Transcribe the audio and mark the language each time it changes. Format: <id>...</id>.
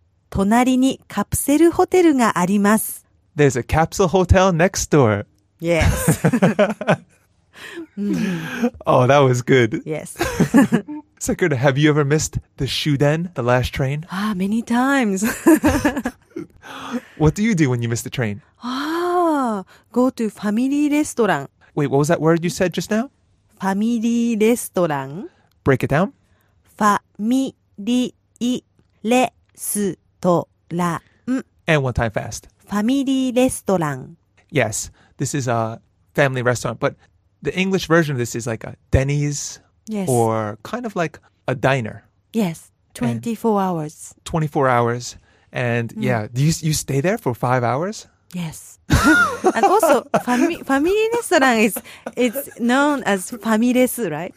<ja>隣にカプセルホテルがあります。</ja> <en>There's a capsule hotel next door. Yes. Oh, that was good. Yes. Sakura, have you ever missed the shuden, the last train? Ah, many times. What do you do when you miss the train? Ah, go to family restaurant. Wait, what was that word you said just now?</en> <ja>ファミリーレストラン。</ja> <en>Break it down.</en> <ja>ファミリーレストラン。</ja> <en>And one time fast.</en> <ja>ファミリーレストラン。</ja> <en>Yes, this is a family restaurant, but the English version of this is like a Denny's. Yes. Or kind of like a diner. Yes, 24 hours. 24 hours. And yeah, you stay there for 5 hours? Yes. And also, family restaurant is known as famires, right?</en>